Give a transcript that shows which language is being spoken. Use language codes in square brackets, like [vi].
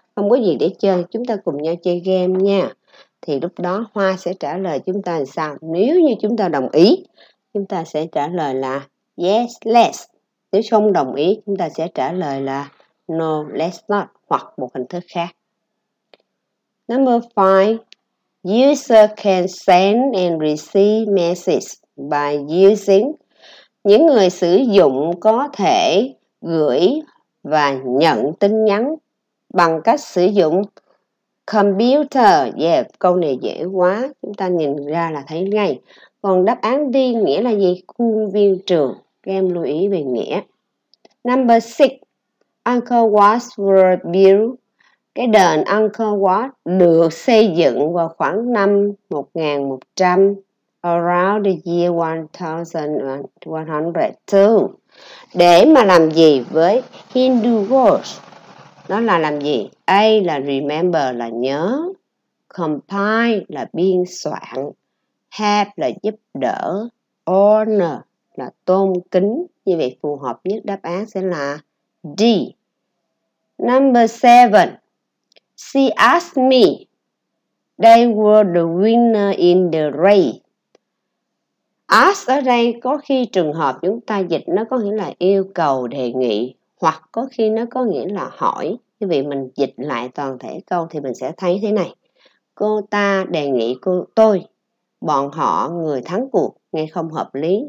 [vi] Không có gì để chơi, chúng ta cùng nhau chơi game nha. Thì lúc đó Hoa sẽ trả lời chúng ta làm sao? Nếu như chúng ta đồng ý, chúng ta sẽ trả lời là [en] yes, let's. [vi] Nếu không đồng ý, chúng ta sẽ trả lời là [en] no, let's not, [vi] hoặc một hình thức khác. [en] Number 5, user can send and receive messages by using. [vi] Những người sử dụng có thể gửi và nhận tin nhắn bằng cách sử dụng computer. Yeah, câu này dễ quá, chúng ta nhìn ra là thấy ngay. Còn đáp án đi nghĩa là gì? Khuôn viên trường. Các em lưu ý về nghĩa. [en] Number 6, Uncle Watt's World View. [vi] Cái đền Uncle Watt được xây dựng vào khoảng năm 1100, [en] around the year 1102. [vi] Để mà làm gì với Hindu Ghost? Nó là làm gì? A là remember là nhớ, compile là biên soạn, help là giúp đỡ, honor là tôn kính. Như vậy phù hợp nhất đáp án sẽ là D. [en] Number 7, she asked me they were the winner in the race. [vi] Ask ở đây có khi trường hợp chúng ta dịch nó có nghĩa là yêu cầu, đề nghị, hoặc có khi nó có nghĩa là hỏi. Quý vị mình dịch lại toàn thể câu thì mình sẽ thấy thế này. Cô ta đề nghị cô tôi, bọn họ người thắng cuộc, nghe không hợp lý.